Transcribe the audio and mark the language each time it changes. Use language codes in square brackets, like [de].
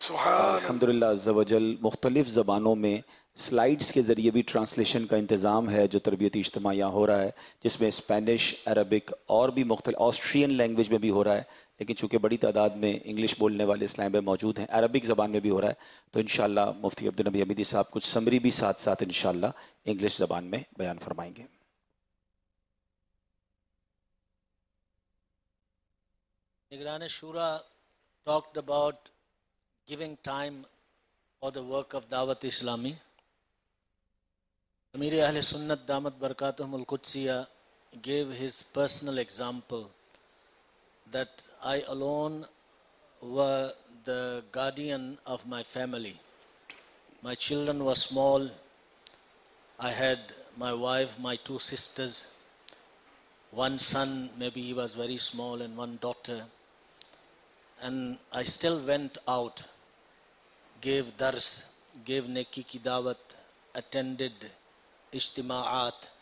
[ur] الحمدللہ عزوجل مختلف زبانوں میں سلائڈز کے ذریعے بھی ٹرانسلیشن کا انتظام ہے جو تربیتی اجتماع ہو رہا ہے، جس میں اسپینش، عربک اور بھی مختلف آسٹرین لینگویج میں بھی ہو رہا ہے، لیکن چونکہ بڑی تعداد میں انگلش بولنے والے اسلامی بھائی موجود ہیں عربک زبان میں بھی ہو رہا ہے، تو انشاءاللہ مفتی عبدالنبی حمیدی صاحب کچھ سمری بھی ساتھ ساتھ انشاءاللہ انگلش زبان میں بیان فرمائیں گے. [en] نگران شورا talked about giving time for the work of Dawat Islami. امیر اہل سنت دامت برکاتہم القدسیہ gave his personal example that I alone were the guardian of my family. My children were small, I had my wife, my two sisters, one son, maybe he was very small, and one daughter. And I still went out, gave درس، gave [ur] نیکی کی دعوت، [en] Attended اجتماعات.